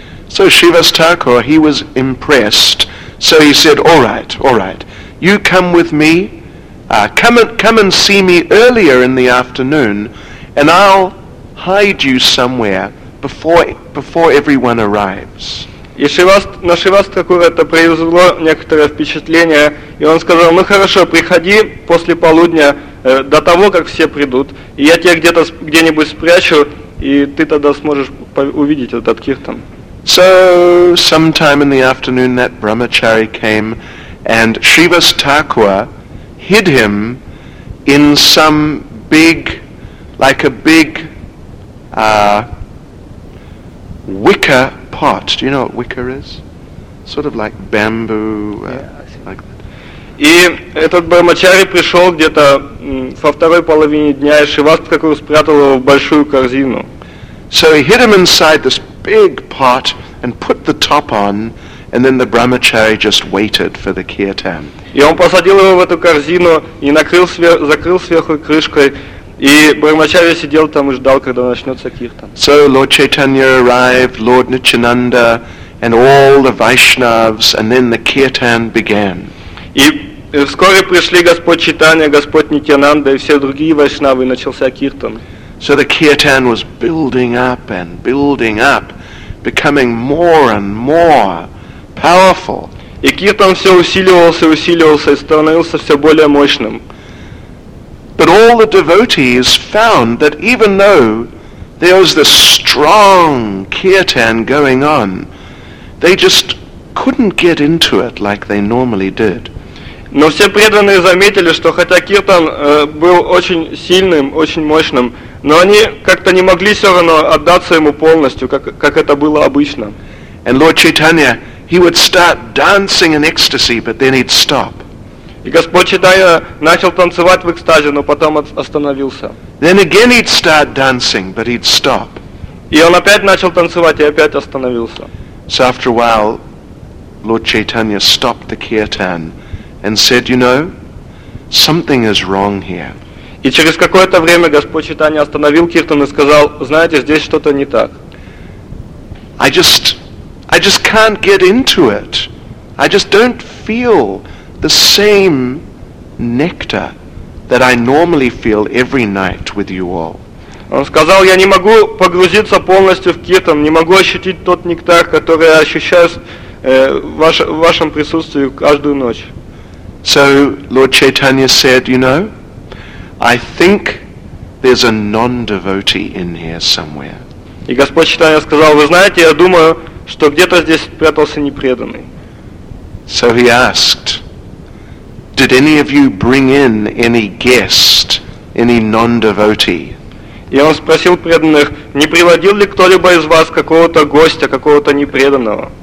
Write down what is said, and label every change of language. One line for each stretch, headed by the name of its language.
English: So Shrivas Stakur, he was impressed, so he said, all right, you come with me, come and see me earlier in the afternoon, and I'll hide you somewhere before everyone arrives.
Russian: И на Шривас Тхакура это произвело некоторое впечатление, и он сказал, хорошо, приходи после полудня, до того, как все придут, и я тебя где-нибудь спрячу, и ты тогда сможешь увидеть этот киртан.
English: So, sometime in the afternoon that brahmachari came, and Shrivas Thakur hid him in some big, like a big wicker pot. Do you know what wicker is? Sort of like bamboo, like that.
Russian: И этот брахмачари пришел где-то во второй половине дня, и Шривас Тхакур спрятал его в большую корзину.
English: So he hid him inside this big pot and put the top on, and then the brahmachari just waited for the kirtan.
Russian: И он посадил его в эту корзину и закрыл сверху крышкой. И брахмачари сидел там и ждал, когда начнется киртан.
English: So Lord Chaitanya arrived, Lord Nityananda, and all the Vaishnavs, and then the kirtan began.
Russian: И вскоре пришли Господь Читания, Господь Нитянанда и все другие вайшнавы, и начался киртан.
English: So the kirtan was building up, becoming more and more powerful.
Russian: И киртан все усиливался и усиливался, и становился все более мощным.
English: But all the devotees found that even though there was this strong kirtan going on, they just couldn't get into it like they normally did.
Russian: Но все преданные заметили, что хотя киртан был очень сильным, очень мощным, но они как-то не могли все равно отдаться ему полностью, как это было обычно.
English: And Lord Chaitanya, he would start dancing in ecstasy, but then he'd stop.
Russian: И Господь Читания начал танцевать в экстазе, но потом остановился.
English: Then again he'd start dancing, but he'd stop.
Russian: И он опять начал танцевать и опять остановился.
English: So after a while, Lord Chaitanya stopped the kirtan and said, you know, something is wrong here.
Russian: И через какое-то время Господь Читания остановил Киртон и сказал, знаете, здесь что-то не так.
English: I just can't get into it. I just don't feel the same nectar that I normally feel every night with you all.
Russian: Он сказал, я не могу погрузиться полностью в Киртон, не могу ощутить тот нектар, который я ощущаю в вашем присутствии каждую ночь.
English: So Lord Chaitanya said, you know, I think there's a non-devotee in here somewhere.
Russian: И Господь Читания сказал, вы знаете, я думаю, что где-то здесь спрятался непреданный.
English: So he asked, did any of you bring in any guest, any non-devotee?
Russian: И он спросил преданных, не приводил ли кто-либо из вас какого-то гостя, какого-то непреданного?